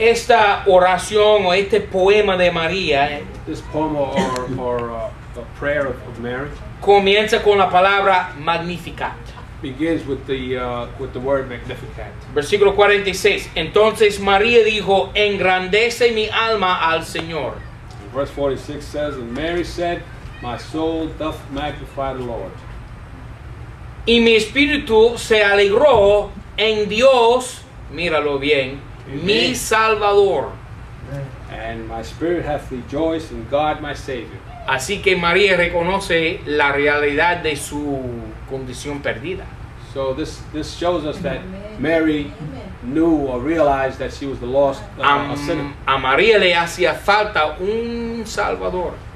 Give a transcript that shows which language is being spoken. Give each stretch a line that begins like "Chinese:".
Spanish: esta oración o este poema de María,
English: this poem or the prayer of Mary,
Spanish: comienza con la palabra Magnificat.
English: Begins with the word Magnificat.
Spanish: Versículo 46. Entonces María dijo, engrandece mi alma al Señor.
English: Verse 46 says, and Mary said, my soul doth magnify the Lord.
Spanish: Y mi espíritu se alegró en Dios, míralo bien, mi Salvador.
English: And my spirit hath rejoiced in God my Savior.
Spanish: Así que María reconoce la realidad de su condición perdida.
English: So this shows us that Mary knew or realized that she was the lost sinner.
Spanish: A María le hacía falta un Salvador.